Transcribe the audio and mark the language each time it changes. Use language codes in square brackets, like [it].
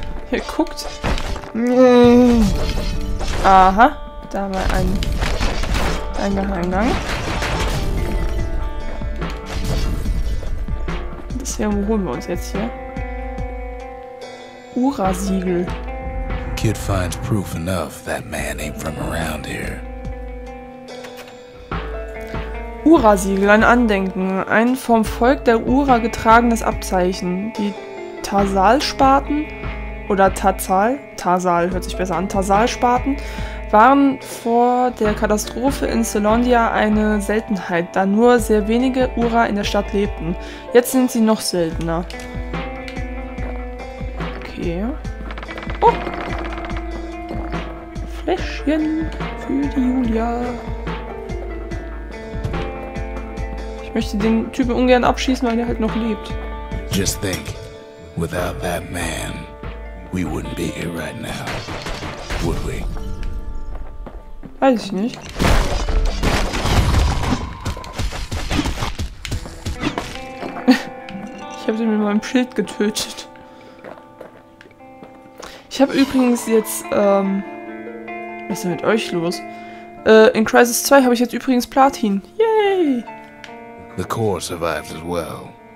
[de] Hier guckt. Aha, da war ein Geheimgang. Deswegen holen wir uns jetzt hier. Ura-Siegel. [en] Kid finds proof enough that man ain't from around here. [de] Ura-Siegel, ein Andenken, ein vom Volk der Ura getragenes Abzeichen. Die Tarsal-Spaten. Oder Tarsal, Tarsal hört sich besser an, Tarsal-Spaten, waren vor der Katastrophe in Selondia eine Seltenheit, da nur sehr wenige Ura in der Stadt lebten. Jetzt sind sie noch seltener. Okay. Oh! Fläschchen. für die Julia. Ich möchte den Typen ungern abschießen, weil er halt noch lebt. [en] Just think, without that man, we wouldn't be here right now, would we? [de] Weiß ich nicht. Ich habe den mit meinem Schild getötet. Ich habe übrigens jetzt, was ist denn mit euch los? In Crysis 2 habe ich jetzt übrigens Platin. Yay! [en] The core survived as well.